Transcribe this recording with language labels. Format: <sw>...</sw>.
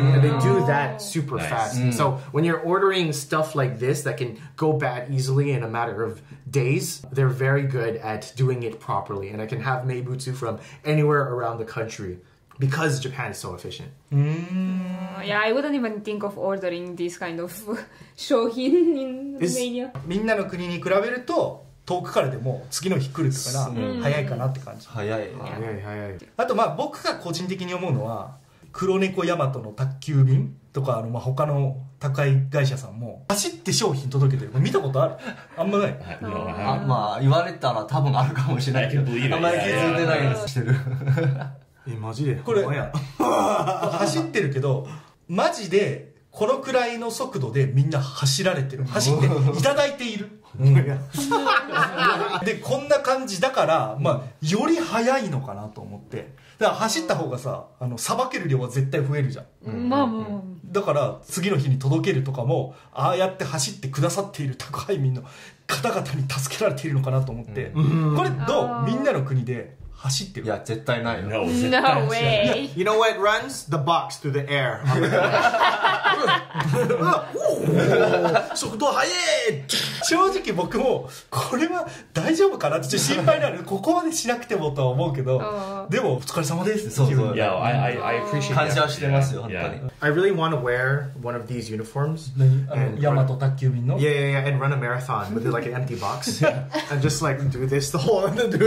<en>And they do that super fast. Mm. So when you're ordering stuff like this that can go bad easily in a matter of days, they're very good at doing it properly. And I can have meibutsu from anywhere around the country because Japan is so efficient. Yeah, I wouldn't even think of ordering this kind of 商品 in Romania.</en> <ja>みんなの国に比べると遠くからでも次の日来るから早いかなって感じ。早い。早い。あとまあ僕が個人的に思うのは黒猫ヤマトの宅急便とか、あの、まあ、他の宅配会社さんも走って商品届けてる、まあ、見たことある？あんまない。あんま言われたら多分あるかもしれないけど、あんまり気づいてないです。してる。え、マジで？これ走ってるけど、マジでこのくらいの速度でみんな走られてる。走っていただいている。うん、でこんな感じだから、まあ、より速いのかなと思って。だから走った方がさ、あの、捌ける量は絶対増えるじゃん。まあまあ。だから次の日に届けるとかも、ああやって走ってくださっている宅配民の方々に助けられているのかなと思って。これどう？みんなの国で走ってる？いや絶対ないよ。</ja> <en>No, no way. Yeah. You know what runs the box through the air?</en> <ja>あ、速度速い。正直僕もこれは大丈夫かなってちょっと心配になる。ここまでしなくてもとは思うけど、でもお疲れ様です。そうそう。いや、 I appreciate 感謝してますよ、yeah. 本当に。</ja> <en>I really want to wear one of these uniforms.</en> <ja>ヤマト宅急便の。</ja> <en>Yeah. And run a marathon with it, like an empty box and just like do this the whole time.</en>